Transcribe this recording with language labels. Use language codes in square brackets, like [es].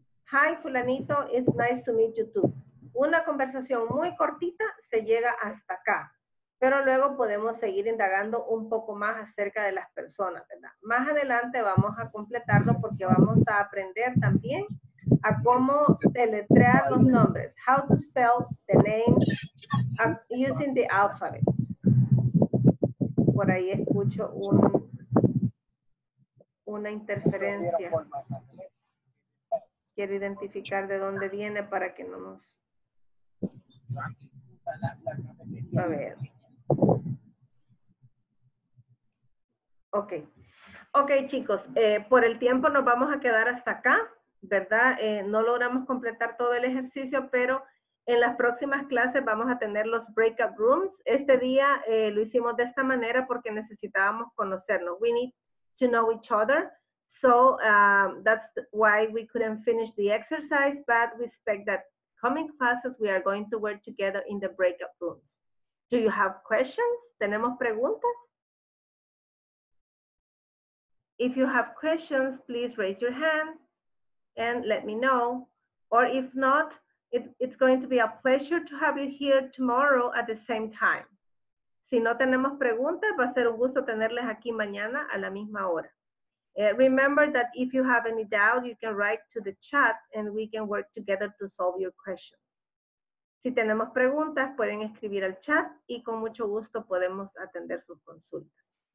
[en] Hi, fulanito, it's nice to meet you too. [es] Una conversación muy cortita se llega hasta acá. Pero luego podemos seguir indagando un poco más acerca de las personas, ¿verdad? Más adelante vamos a completarlo porque vamos a aprender también a cómo deletrear los nombres. [en] How to spell the name using the alphabet. [es] Por ahí escucho una interferencia. Quiero identificar de dónde viene para que no nos... A ver. Ok. Ok, chicos. Por el tiempo nos vamos a quedar hasta acá, ¿verdad? No logramos completar todo el ejercicio, pero en las próximas clases vamos a tener los breakout rooms. Este día lo hicimos de esta manera porque necesitábamos conocernos. [en] We need to know each other. So that's why we couldn't finish the exercise, but we expect that coming classes we are going to work together in the breakout rooms. Do you have questions? [es] ¿Tenemos preguntas? [en] If you have questions, please raise your hand and let me know. Or if not, it's going to be a pleasure to have you here tomorrow at the same time. [es] Si no tenemos preguntas, va a ser un gusto tenerles aquí mañana a la misma hora. [en] Remember that if you have any doubt, you can write to the chat and we can work together to solve your questions. [es] Si tenemos preguntas, pueden escribir al chat y con mucho gusto podemos atender sus consultas.